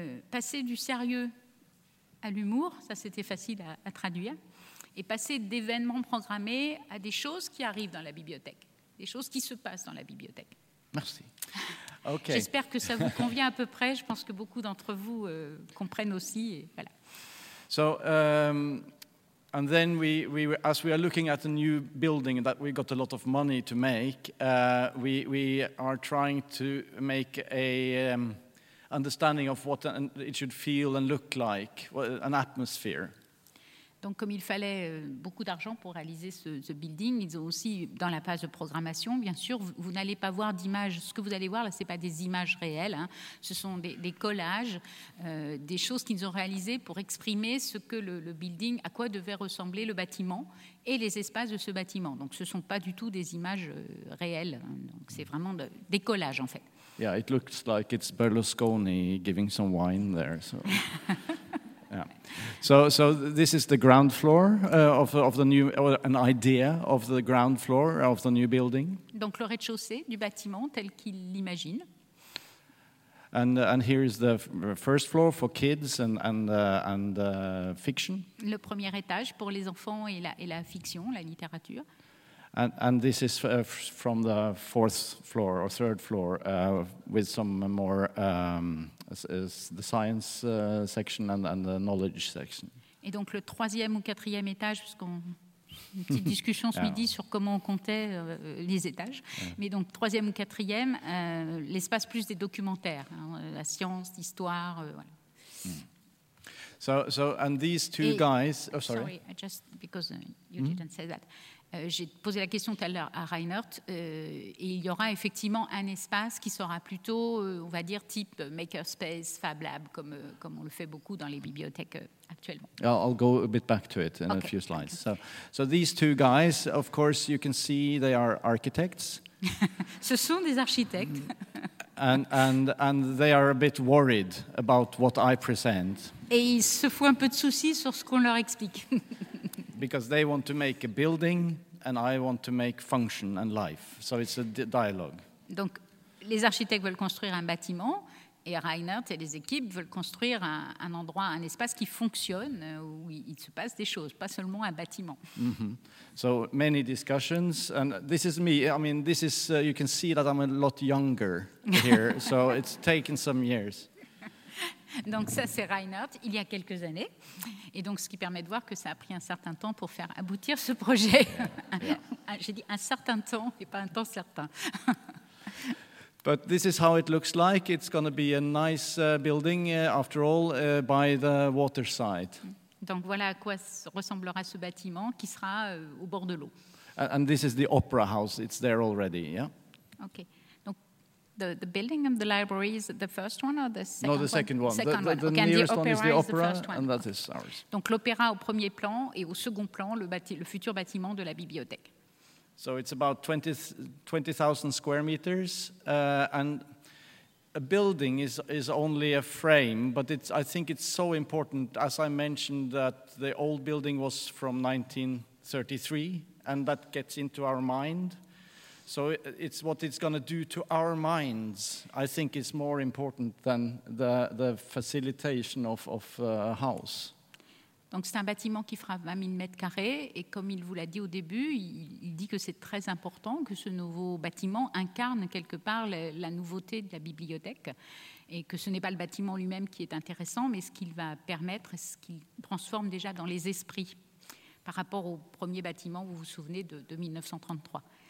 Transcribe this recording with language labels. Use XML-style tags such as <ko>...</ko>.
<fr>Passer du sérieux à l'humour, ça c'était facile à traduire. Et passer d'événements programmés à des choses qui arrivent dans la bibliothèque, des choses qui se passent dans la bibliothèque. Merci. Okay. J'espère que ça vous convient à peu près. Je pense que beaucoup d'entre vous comprennent aussi. Et voilà.</fr> <en>So, and then we as we are looking at a new building that we got a lot of money to make, we are trying to make a understanding of what it should feel and look like, an atmosphere.</en> <fr>Donc, comme il fallait beaucoup d'argent pour réaliser ce building, ils ont aussi, dans la phase de programmation, bien sûr, vous n'allez pas voir d'images. Ce que vous allez voir, là, ce n'est pas des images réelles. Hein. Ce sont des collages, des choses qu'ils ont réalisées pour exprimer ce que le building, à quoi devait ressembler le bâtiment et les espaces de ce bâtiment. Donc, ce ne sont pas du tout des images réelles. Hein. Donc, c'est vraiment des collages, en fait.</fr> <en>Yeah, it looks like it's Berlusconi giving some wine there, so... Yeah. So this is the ground floor of the new an idea of the ground floor of the new building.</en> <fr>Donc le rez-de-chaussée du bâtiment tel qu'il l'imagine.</fr> <en>And here is the first floor for kids and fiction.</en> <fr>Le premier étage pour les enfants et la fiction, la littérature.</fr> <en>And this is from the fourth floor or third floor with some more the science section and the knowledge section.</en> <fr>Et donc le troisième ou quatrième étage, parce qu'on a une petite discussion ce midi sur comment on comptait les étages.</fr> <en>Yeah.</en> <fr>Mais donc troisième ou quatrième, l'espace plus des documentaires, hein, la science, l'histoire, voilà.</fr> <en>So and these two guys. Oh, sorry. Sorry, just because you didn't say that.</en> <fr>J'ai posé la question tout à l'heure à Reinhardt, et il y aura effectivement un espace qui sera plutôt, on va dire, type makerspace, Fab Lab, comme on le fait beaucoup dans les bibliothèques actuellement.</fr> <en>I'll go a bit back to it in a few slides. So these two guys, of course, you can see they are architects.</en> <fr>Ce sont des architectes.</fr> <en>And they are a bit worried about what I present.</en> <fr>Et ils se font un peu de soucis sur ce qu'on leur explique.</fr> <en>Because they want to make a building, and I want to make function and life. So it's a dialogue.</en> <fr>Donc, les architectes veulent construire un bâtiment, Et Reinhardt et les équipes veulent construire un endroit, un espace qui fonctionne, où il se passe des choses, pas seulement un bâtiment.</fr> <en>Mm-hmm. So many discussions, and this is me. I mean, this is you can see that I'm a lot younger here, so it's taken some years.</en> <fr>Donc ça, c'est Reinhardt, il y a quelques années. Et donc, ce qui permet de voir que ça a pris un certain temps pour faire aboutir ce projet.</fr> <en>Yeah.</en> <fr>J'ai dit un certain temps et pas un temps certain.</fr> <en>But this is how it looks like. It's going to be a nice building, after all, by the waterside.</en> <fr>Donc voilà à quoi ressemblera ce bâtiment qui sera au bord de l'eau.</fr> <en>And this is the opera house. It's there already, yeah? Okay. The building and the library, is the first one or the second one? No, the second one. The nearest one is the opera, and that is ours.</en> <fr>Donc l'opéra au premier plan et au second plan, le futur bâtiment de la bibliothèque.</fr> <en>So it's about 20,000 square meters, and a building is only a frame, but I think it's so important, as I mentioned, that the old building was from 1933, and that gets into our mind. So it's what it's going to do to our minds, I think, is more important than the facilitation of a house.</en> <fr>Donc c'est un bâtiment qui fera 20 000 mètres carrés, et comme il vous l'a dit au début, il dit que c'est très important que ce nouveau bâtiment incarne quelque part la nouveauté de la bibliothèque, et que ce n'est pas le bâtiment lui-même qui est intéressant, mais ce qu'il va permettre, ce qu'il transforme déjà dans les esprits, par rapport au premier bâtiment, vous vous souvenez, de 1933.</fr>